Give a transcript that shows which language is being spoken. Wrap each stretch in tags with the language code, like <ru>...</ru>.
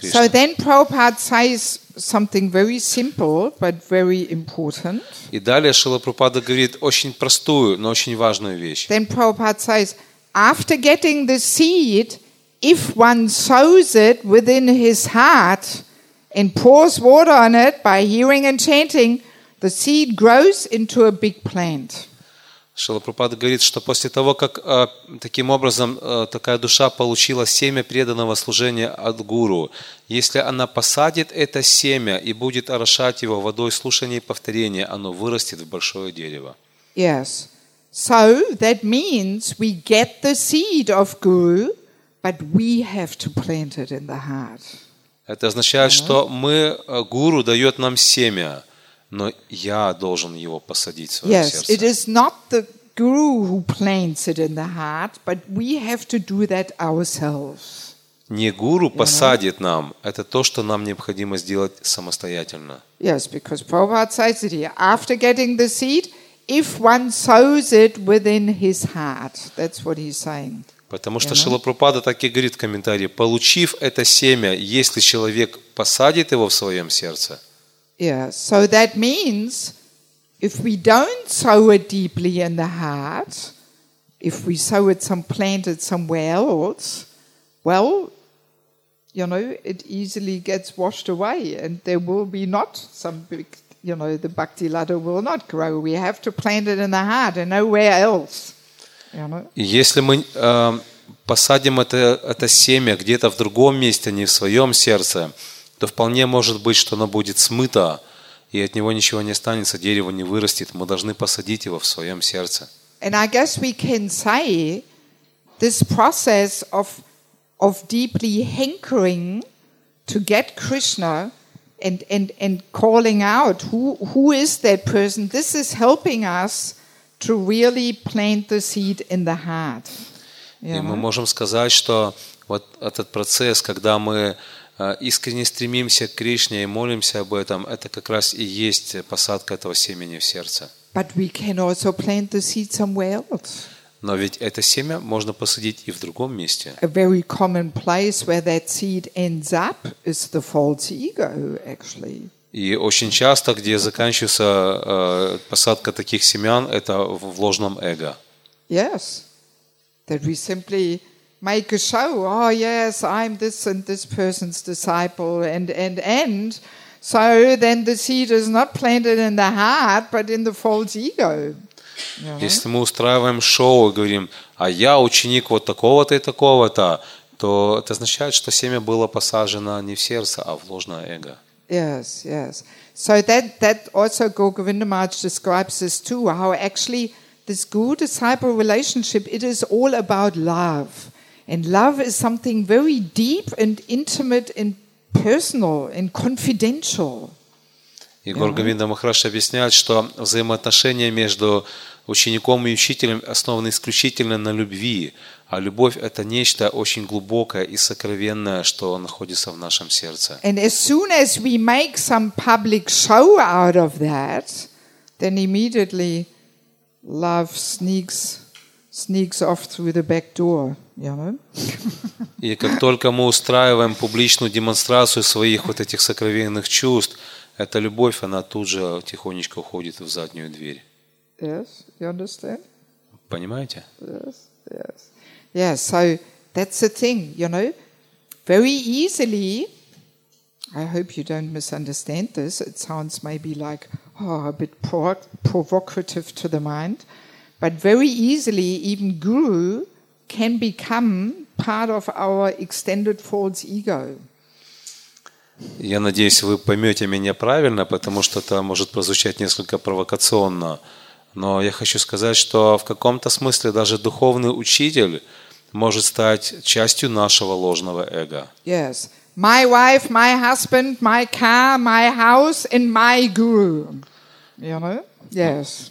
<en>yes.</en> <ru>Кришны.</ru> <en>So then Prabhupada says something very simple, but very important.</en> <ru>И далее Шрила Прабхупада говорит очень простую, но очень важную вещь.</ru> <en>Then Prabhupada says, after getting the seed, if one sows it within his heart, and pours water on it by hearing and chanting, the seed grows into a big plant.</en> <ru>Шрила Прабхупада говорит, что после того, как таким образом такая душа получила семя преданного служения от гуру, если она посадит это семя и будет орошать его водой слушания и повторения, оно вырастет в большое дерево.</ru> <en>Yes. So that means we get the seed of guru, but we have to plant it in the heart.</en> <ru>Это означает, что мы, гуру дает нам семя, но я должен его посадить в свое</ru> <en>yes,</en> <ru>сердце.</ru> <en>Yes, it is not the guru who plants it in the heart, but we have to do that ourselves.</en> <ru>Не гуру посадит нам, это то, что нам необходимо сделать самостоятельно.</ru> <en>Yes, because Prabhupada says it here. After getting the seed, if one sows it within his heart, that's what he's saying.</en> <ru>Потому что Шрила Прабхупада так и говорит в комментарии, получив это семя, если человек посадит его в своем сердце.</ru> <en>Yeah, so that means, if we don't sow it deeply in the heart, if we sow it some planted somewhere else, well, you know, it easily gets washed away and there will be not some big, you know, the bhakti ladder will not grow. We have to plant it in the heart and nowhere else.</en> <ru>Если мы посадим это семя где-то в другом месте, а не в своем сердце, то вполне может быть, что оно будет смыто, и от него ничего не останется, дерево не вырастет. Мы должны посадить его в своем сердце.</ru> <en>And I guess we can say this process of deeply hankering to get Krishna and calling out who is that person, this is helping us to really plant the seed in the heart.</en> <ru>И мы можем сказать, что вот этот процесс, когда мы искренне стремимся к Кришне и молимся об этом, это как раз и есть посадка этого семени в сердце.</ru> <en>But we can also plant the seed somewhere else.</en> <ru>Но ведь это семя можно посадить и в другом месте.</ru> <en>A very common place where that seed ends up is the false ego, actually.</en> <ru>И очень часто, где заканчивается посадка таких семян, это в ложном эго.</ru> <en>Yes. That we simply make a show. Oh, yes, I'm this and this person's disciple and. So then the seed is not planted in the heart, but in the false ego.</en> <ru>Если мы устраиваем шоу и говорим, а я ученик вот такого-то и такого-то, то это означает, что семя было посажено не в сердце, а в ложное эго.</ru> <en>Yes, yes. So that also Guru Govindamaj describes this too, how actually this guru disciple relationship, it is all about love. And love is something very deep and intimate and personal and confidential.</en> <ru>И Гуру Говинда Махарадж объясняет, что взаимоотношения между учеником и учителем основаны исключительно на любви, а любовь – это нечто очень глубокое и сокровенное, что находится в нашем сердце.</ru> <en>And as soon as we make some public show out of that, then immediately love sneaks off through the back door.</en> <ru>И как только мы устраиваем публичную демонстрацию своих вот этих сокровенных чувств, эта любовь, она тут же тихонечко уходит в заднюю дверь.</ru> <en>Yes, you understand?</en> <ru>Понимаете?</ru> <en>Yes, yes. Yes, so that's the thing, you know. Very easily, I hope you don't misunderstand this, it sounds maybe like a bit provocative to the mind, but very easily even guru can become part of our extended false ego.</en> <ru>Я надеюсь, вы поймете меня правильно, потому что это может прозвучать несколько провокационно. Но я хочу сказать, что в каком-то смысле даже духовный учитель может стать частью нашего ложного эго.</ru> <en>Yes. My wife, my husband, my car, my house and my guru. You know? Yes.</en>